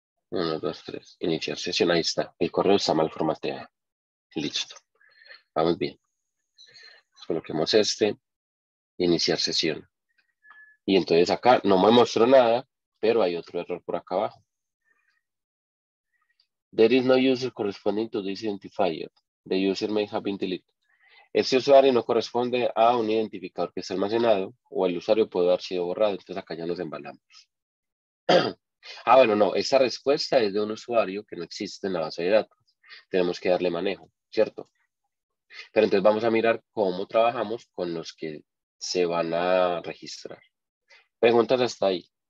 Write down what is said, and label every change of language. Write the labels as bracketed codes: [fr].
[es] Uno, dos, tres. Iniciar sesión. Ahí está. El correo está mal formateado. Listo. Vamos bien. Coloquemos este. Iniciar sesión. Y entonces acá no me mostró nada, pero hay otro error por acá abajo. [en] There is no user corresponding to this identifier. The user may have been deleted. [es] Este usuario no corresponde a un identificador que está almacenado o el usuario puede haber sido borrado. Entonces acá ya nos embalamos. Ah, bueno, no. Esta respuesta es de un usuario que no existe en la base de datos. Tenemos que darle manejo, ¿cierto? Pero entonces vamos a mirar cómo trabajamos con los que se van a registrar. ¿Preguntas hasta ahí?